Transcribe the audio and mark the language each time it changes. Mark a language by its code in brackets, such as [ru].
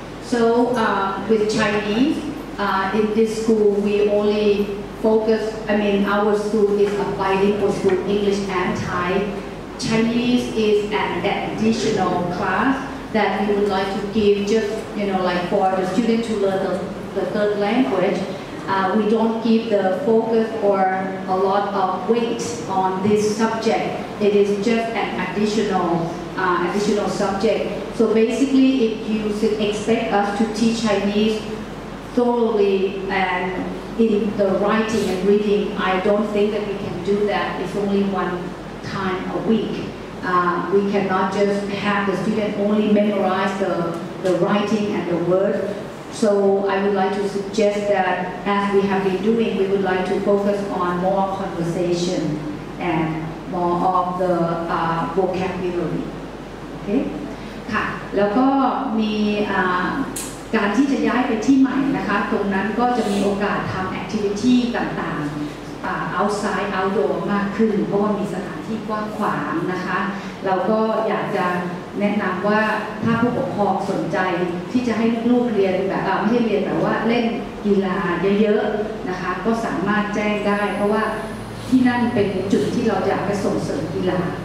[en] so with Chinese in this school we only focus I mean our school is a bilingual school English and Thai Chinese is an additional class that we would like to give just you know like for the student to learn the third language we don't give the focus or a lot of weight on this subject. It is just an additional subject. So basically, if you expect us to teach Chinese thoroughly and in the writing and reading, I don't think that we can do that. It's only one time a week. We cannot just have the student only memorize the writing and the word. So I would like to suggest that as we have been doing, we would like to focus on more conversation and more of the vocabulary. Okay? [th] ค่ะแล้วก็มีการที่จะย้ายไปที่ใหม่นะคะตรงนั้นก็จะมีโอกาสทำ activity ต่างๆ [en] outside outdoor [th] มากขึ้นเพราะว่ามีสถานที่กว้างขวางนะคะเราก็อยากจะแนะนำว่าถ้าผู้ปกครองสนใจที่จะให้ลูกเรียนแบบไม่ให้เรียนแต่ว่าเล่นกีฬาเยอะๆนะคะก็สามารถแจ้งได้เพราะว่าที่นั่นเป็นจุดที่เราอยากไปส่งเสริมกีฬา